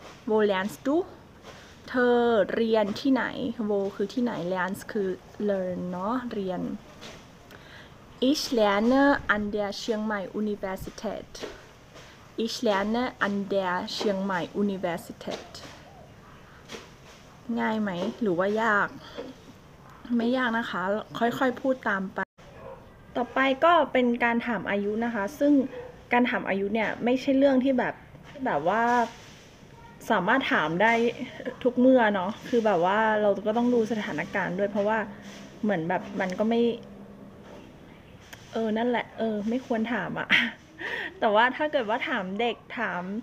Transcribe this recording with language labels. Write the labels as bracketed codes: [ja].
[de] Wo lernst du? [th] เธอเรียนที่ไหน Wo คือที่ไหน Lernst คือ learn เนาะเรียน [de] Ich lerne an der Chiang Mai Universität. Ich lerne an der Chiang Mai Universität. [th] ง่ายไหมหรือว่ายากไม่ยากนะคะค่อยๆพูดตามไปต่อไปก็เป็นการถามอายุนะคะซึ่งการถามอายุเนี่ยไม่ใช่เรื่องที่แบบว่าสามารถถามได้ทุกเมื่อเนาะคือแบบว่าเราก็ต้องดูสถานการณ์ด้วยเพราะว่าเหมือนแบบมันก็ไม่นั่นแหละไม่ควรถามอ่ะแต่ว่าถ้าเกิดว่าถามเด็กถาม